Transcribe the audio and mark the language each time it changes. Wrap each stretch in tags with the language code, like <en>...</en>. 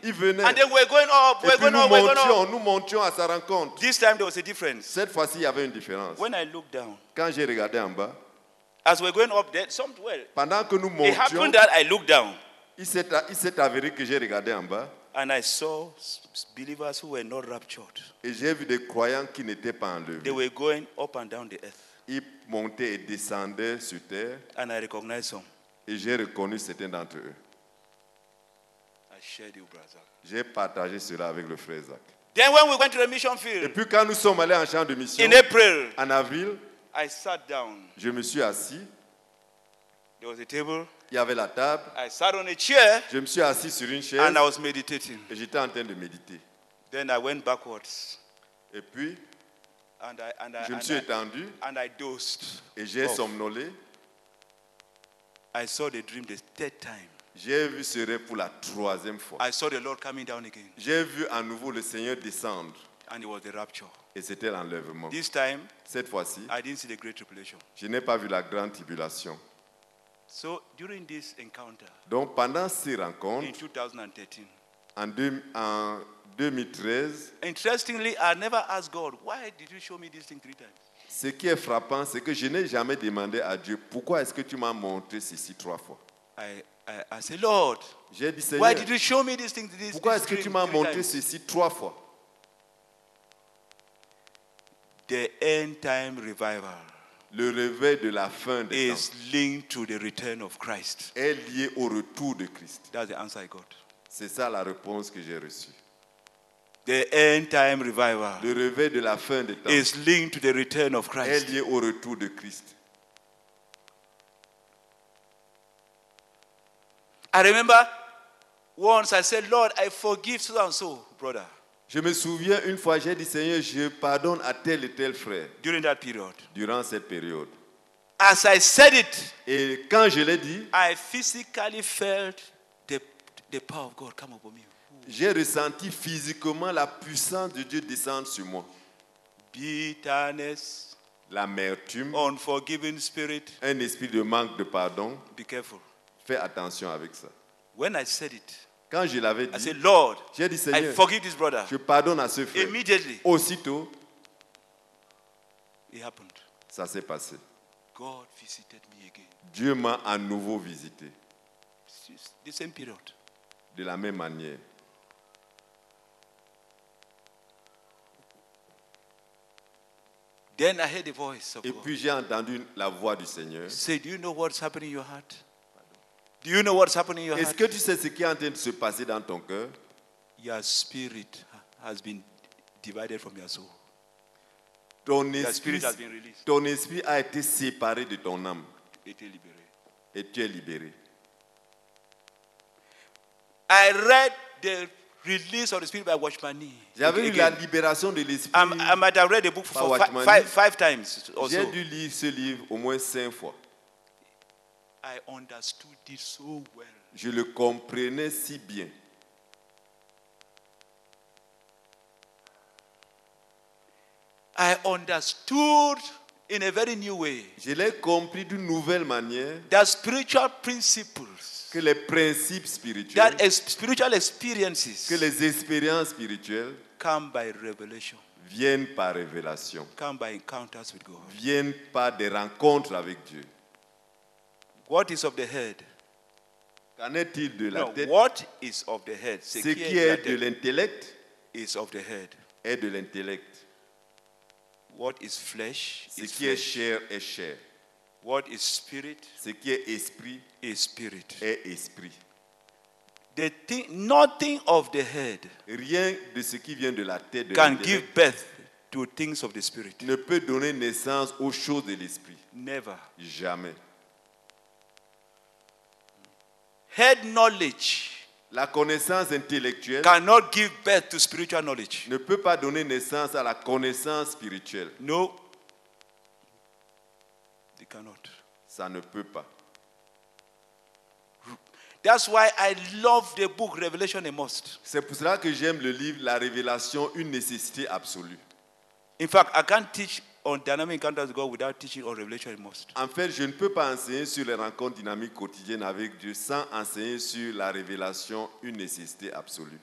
<fr>Il venait.</fr> <en>And then we're going up.</en> <fr>Et</fr> <en>we're going up.</en> <fr>Montions,</fr> <en>we're going up.</en> <fr>Nous montions à sa rencontre.</fr> <en>This time there was a difference.</en> <fr>Cette fois-ci, il y avait une différence.</fr> <en>When I looked down.</en> <fr>Quand j'ai regardé en bas.</fr> <en>As we're going up there, somewhere.</en> <fr>Pendant que nous montions.</fr> <en>It happened that I looked down.</en> <fr>Il s'est avéré que j'ai regardé en bas.</fr> <en>And I saw believers who were not raptured.</en> <fr>Et j'ai vu des croyants qui n'étaient pas enlevés.</fr> <en>They were going up and down the earth.</en> <fr>Ils montaient et descendaient sur terre.</fr> <en>And I recognized some.</en> <fr>Et j'ai reconnu certains d'entre eux.</fr> <en>I shared it with Brother Zach.</en> <fr>J'ai partagé cela avec le frère Zach.</fr> <en>Then when we went to the mission field,</en> <fr>et puis quand nous sommes allés en champ de mission,</fr> <en>in April,</en> <fr>en avril,</fr> <en>I sat down.</en> <fr>Je me suis assis.</fr> <en>There was a table.</en> <fr>Il y avait la table.</fr> <en>I sat on a chair.</en> <fr>Je me suis assis sur une chaise.</fr> <en>And I was meditating.</en> <fr>Et j'étais en train de méditer.</fr> <en>Then I went backwards.</en> <fr>Et puis,</fr> <en>And I</en> <fr>je me suis étendu</fr> <en>and I dosed</en> <fr>et j'ai somnolé.</fr> <en>I saw the dream the third time.</en> <fr>J'ai vu ce rêve pour la troisième fois.</fr> <en>I saw the Lord coming down again.</en> <fr>J'ai vu à nouveau le Seigneur descendre.</fr> <en>And it was the rapture.</en> <fr>Et c'était l'enlèvement.</fr> <en>This time,</en> <fr>cette fois-ci,</fr> <en>I didn't see the great tribulation.</en> <fr>Je n'ai pas vu la grande tribulation.</fr> <en>So during this encounter,</en> <fr>donc pendant ces rencontres,</fr> <en>in 2013,</en> <fr>en 2013,</fr> <en>interestingly, I never asked God, why did you show me this thing three times?</en> <fr>Ce qui est frappant, c'est que je n'ai jamais demandé à Dieu pourquoi est-ce que tu m'as montré ceci trois fois.</fr> <en>I said, Lord,</en> <fr>j'ai dit, Seigneur,</fr> <en>why did you show me this thing three times?</en> <fr>Pourquoi est-ce que tu m'as montré ceci trois fois?</fr> <en>The end time revival.</en> <fr>Le réveil de la fin des temps</fr> <en>is linked to the return of Christ.</en> <fr>Est lié au retour de Christ.</fr> <en>That's the answer I got.</en> <fr>C'est ça la réponse que j'ai reçue.</fr> <en>The end time revival.</en> <fr>Le réveil de la fin des temps</fr> <en>is linked to the return of Christ.</en> <fr>Est lié au retour de Christ.</fr> <en>I remember once I said, Lord, I forgive so and so, brother.</en> <fr>Je me souviens une fois, j'ai dit, Seigneur, je pardonne à tel et tel frère.</fr> <en>During that period.</en> <fr>Durant cette période.</fr> <en>As I said it,</en> <fr>et quand je l'ai dit,</fr> <en>I physically felt the power of God come upon me. Ooh.</en> <fr>J'ai ressenti physiquement la puissance de Dieu descendre sur moi.</fr> <en>Bitterness.</en> <fr>L'amertume.</fr> <en>Unforgiving spirit.</en> <fr>Un esprit de manque de pardon.</fr> <en>Be careful.</en> <fr>Fais attention avec ça.</fr> <en>When I said it,</en> <fr>quand je l'avais dit,</fr> <en>I said, Lord,</en> <fr>j'ai dit, Seigneur,</fr> <en>I forgive this brother.</en> <fr>Je pardonne à ce frère.</fr> <en>Immediately,</en> <fr>aussitôt,</fr> <en>it happened.</en> <fr>Ça s'est passé.</fr> <en>God visited me again.</en> <fr>Dieu m'a à nouveau visité.</fr> <en>The same period.</en> <fr>De la même manière.</fr> <en>Then I heard the voice of God.</en> <fr>Et puis j'ai entendu la voix du Seigneur.</fr> <en>Say, do you know what's happening in your heart? Do you know what's happening in your</en> <fr>est-ce</fr> <en>heart?</en> <fr>Que tu sais ce qui est en train de se passer dans ton cœur?</fr> <en>Your spirit has been divided from your soul. Your spirit has been released.</en> <fr>Ton esprit a été séparé de ton âme. Et tu es libéré.</fr> <en>I read the release of the spirit by Watchman Nee.</en> <fr>J'avais lu la libération de l'esprit.</fr> <en>I might have read the book for five times or so.</en> <fr>J'ai dû lire ce livre au moins cinq fois.</fr> <en>I understood it so well.</en> <fr>Je le comprenais si bien.</fr> <en>I understood in a very new way.</en> <fr>Je l'ai compris d'une nouvelle manière.</fr> <en>That spiritual principles.</en> <fr>Que les principes spirituels.</fr> <en>That spiritual experiences.</en> <fr>Que les expériences spirituelles.</fr> <en>Come by revelation.</en> <fr>Viennent par révélation.</fr> <en>Come by encounters with God.</en> <fr>Viennent par des rencontres avec Dieu.</fr> <en>What is of the head?</en> <fr>Qu'en est-il de la tête?</fr> <en>No, what is of the head?</en> <fr>Ce qui est de l'intellect</fr> <en>is of the head.</en> <fr>Est de l'intellect.</fr> <en>What is flesh?</en> <fr>Ce qui est chair est chair.</fr> <en>What is spirit?</en> <fr>Ce qui est esprit</fr> <en>is spirit.</en> <fr>Est esprit.</fr> <en>The thing, nothing of the head.</en> <fr>Rien de ce qui vient de la tête de</fr> <en>can give birth to things of the spirit.</en> <fr>Ne peut donner naissance aux choses de l'esprit.</fr> <en>Never.</en> <fr>Jamais.</fr> <en>Head knowledge,</en> <fr>la connaissance intellectuelle,</fr> <en>cannot give birth to spiritual knowledge.</en> <fr>Ne peut pas donner naissance à la connaissance spirituelle.</fr> <en>No, they cannot.</en> <fr>Ça ne peut pas.</fr> <en>That's why I love the book Revelation the most.</en> <fr>C'est pour cela que j'aime le livre La Révélation, une nécessité absolue.</fr> <en>In fact, I can't teach on dynamic encounters with God without teaching on revelation most.</en> <fr>En fait, je ne peux pas enseigner sur les rencontres dynamiques quotidiennes avec Dieu sans enseigner sur la révélation, une nécessité absolue.</fr>